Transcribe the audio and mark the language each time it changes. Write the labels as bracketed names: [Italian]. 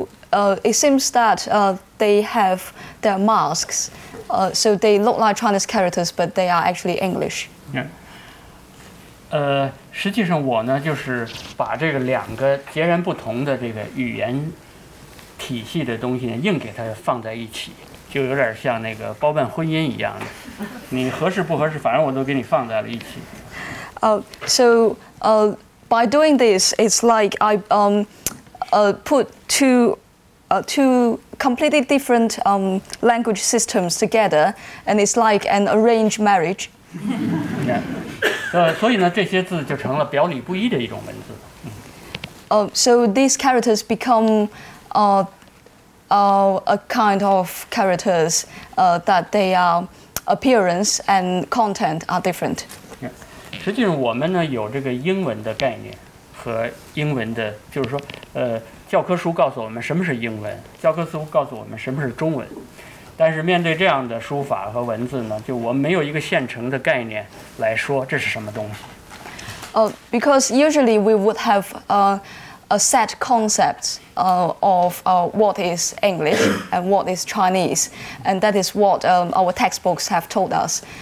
[English] It seems that they have their masks, so they look like Chinese characters, but they are actually English. Yeah. [Chinese] 实际上我呢就是把这个两个截然不同的这个语言体系的东西呢硬给它放在一起。就有点像那个包办婚姻一样的，你合适不合适，反正我都给你放在了一起。 [English] By doing this, it's like I put two completely different language systems together, and it's like an arranged marriage. [Chinese] 所以呢，这些字就成了表里不一的一种文字。 [English] So these characters become a kind of characters that they are appearance and content are different. Yeah. [Chinese] 实际上我们呢有这个英文的概念和英文的，就是说教科书告诉我们什么是英文，教科书告诉我们什么是中文，但是面对这样的书法和文字呢，就我们没有一个现成的概念来说这是什么东西。 [English] Because usually we would have a set concept of what is English and what is Chinese, and that is what our textbooks have told us.